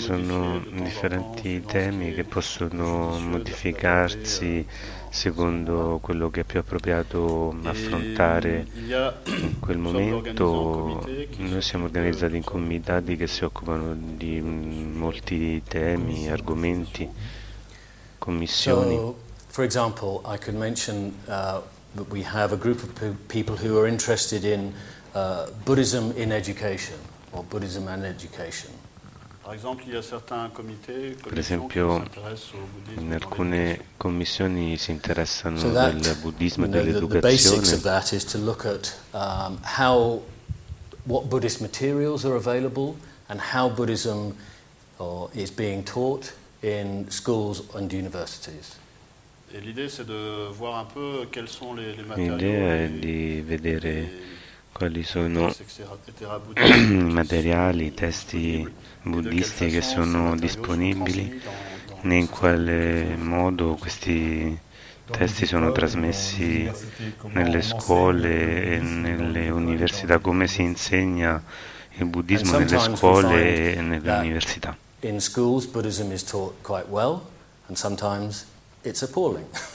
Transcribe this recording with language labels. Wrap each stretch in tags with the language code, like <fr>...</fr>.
<it>sono differenti temi che possono modificarsi secondo quello che è più appropriato affrontare in quel momento. Noi siamo organizzati in comitati che si occupano di molti temi, argomenti, commissioni.</it> <en>For example, I could mention that we have a group of people who are interested in Buddhism in education or Buddhism and education.</en> <fr>Par esempio, il y a certains comités,</fr> <it>per esempio, in alcune commissioni si interessano del buddismo e dell'educazione.</it> <en>The basics of that is to look at how what Buddhist materials are available and how Buddhism is being taught in schools and universities.</en> <fr>Et l'idée c'est de voir un peu quels sont les matériaux.</fr> <it>L'idea è di vedere quali sono i materiali, i testi buddhisti che sono disponibili, in quale modo questi testi sono trasmessi nelle scuole e nelle università, come si insegna il buddismo nelle scuole e nelle università.</it> <en>In schools Buddhism is taught quite well and sometimes it's appalling.</en>